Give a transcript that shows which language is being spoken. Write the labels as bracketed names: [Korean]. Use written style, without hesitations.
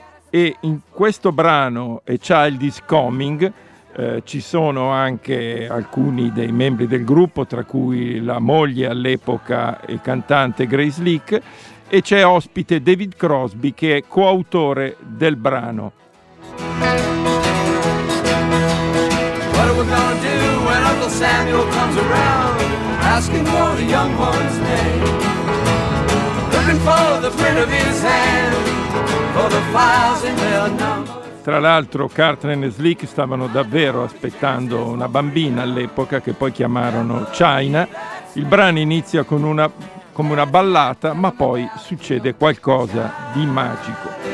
[Italian] e in questo brano, A Child is Coming, ci sono anche alcuni dei membri del gruppo, tra cui la moglie all'epoca e cantante Grace Leake, e c'è ospite David Crosby, che è coautore del brano. [English] What are we gonna do when Uncle Samuel comes around asking for the young one's name, looking for the print of his hand for the files in their number. [Italian] Tra l'altro Kartner e Slick stavano davvero aspettando una bambina all'epoca, che poi chiamarono China. Il brano inizia con una, come una ballata, ma poi succede qualcosa di magico.